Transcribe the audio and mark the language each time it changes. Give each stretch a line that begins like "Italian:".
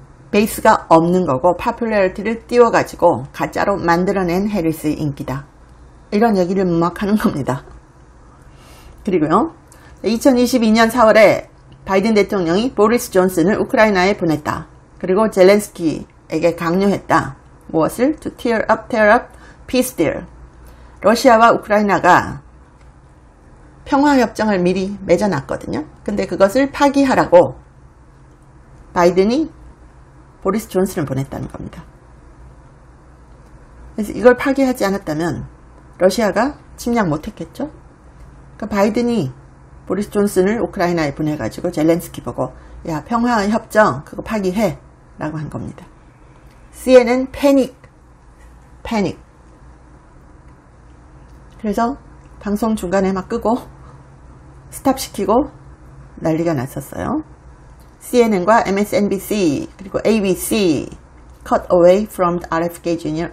Korean: 베이스가 없는 거고 popularity를 띄워가지고 가짜로 만들어낸 해리스의 인기다. 이런 얘기를 막 하는 겁니다. 그리고요. 2022년 4월에 바이든 대통령이 보리스 존슨을 우크라이나에 보냈다. 그리고 젤렌스키에게 강요했다. 무엇을?
English: To tear up, tear up, peace deal.
Korean: 러시아와 우크라이나가 평화협정을 미리 맺어놨거든요. 근데 그것을 파기하라고 바이든이 보리스 존슨을 보냈다는 겁니다. 그래서 이걸 파기하지 않았다면 러시아가 침략 못했겠죠? 그러니까 바이든이 보리스 존슨을 우크라이나에 보내가지고 젤렌스키 보고 야 평화협정 그거 파기해 라고 한 겁니다. CNN 패닉. 그래서 방송 중간에 막 끄고 스탑시키고 난리가 났었어요.
English: CNN과 MSNBC
Korean: 그리고
English: ABC cut away from the RFK Jr.